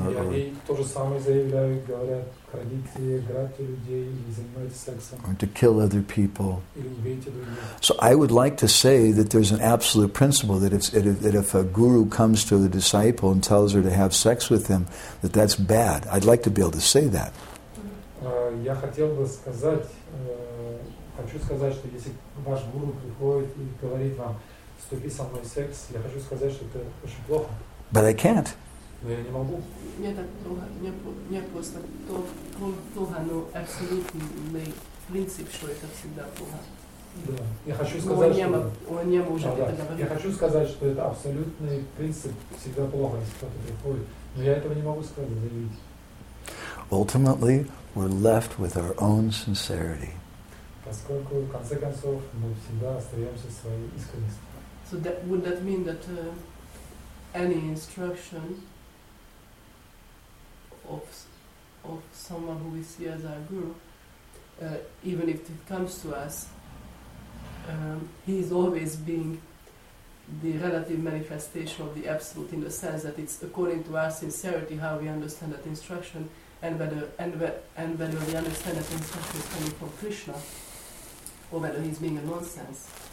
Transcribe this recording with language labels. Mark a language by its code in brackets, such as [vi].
[en] Or to kill other people. So I would like to say that there's an absolute principle that if a guru comes to a disciple and tells her to have sex with him, that's bad. I'd like to be able to say that. [ru] я хотел бы сказать, хочу сказать, что если ваш гуру приходит и говорит вам, вступи со мной в секс, я хочу сказать, что это очень плохо. [en] But I can't. [ru] Но я не могу. Мне так плохо, мне просто плохо, но абсолютный принцип, что это всегда плохо. Да. Я хочу сказать, Он не может это говорить. Я хочу сказать, что это абсолютный принцип, всегда плохо, если кто-то приходит. Но я этого не могу сказать, заявить. [en] Ultimately, we're left with our own sincerity. [ru] Поскольку, в конце концов, мы всегда остаемся своей искренностью. [en] So that, would that mean that any instruction of someone who we see as our guru, even if it comes to us, he is always being the relative manifestation of the absolute in the sense that it's according to our sincerity how we understand that instruction and whether we understand that instruction is coming from Krishna or whether he's being a nonsense.